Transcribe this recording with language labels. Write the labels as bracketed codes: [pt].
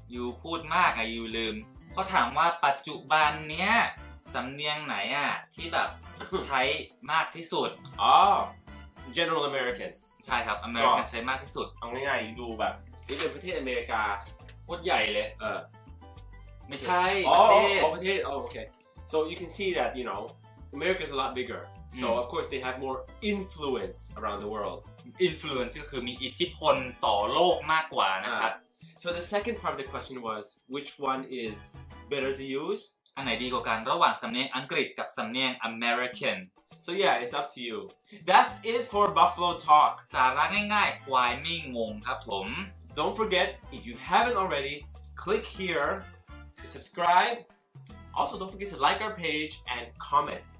[th] ยูพูดมากอะยูลืมเขาถามว่าปัจจุบันเนี้ยสำเนียงไหนอะที่แบบ ใช้มากที่สุด [en] อ๋อ general American [th] ใช่ครับ American ใช้มากที่สุด เอาง่ายๆดูแบบนี่เป็นประเทศอเมริกาโคตรใหญ่เลย ไม่ใช่ [en] ประเทศ oh okay so you can see that you know America is a lot bigger so of course they have more influence around the world [th] influence ก็คือมีอิทธิพลต่อโลกมากกว่านะครับ [en] so the second part of the question was which one is better to use [th] อันไหนดีกว่ากันระหว่างสำเนียงอังกฤษกับสำเนียง American [en] so yeah it's up to you that's it for Buffalo Talk [th] สาระง่ายๆควายไม่งงครับผม [en] don't forget if you haven't already click hereTo subscribe. Also, don't forget to like our page and comment.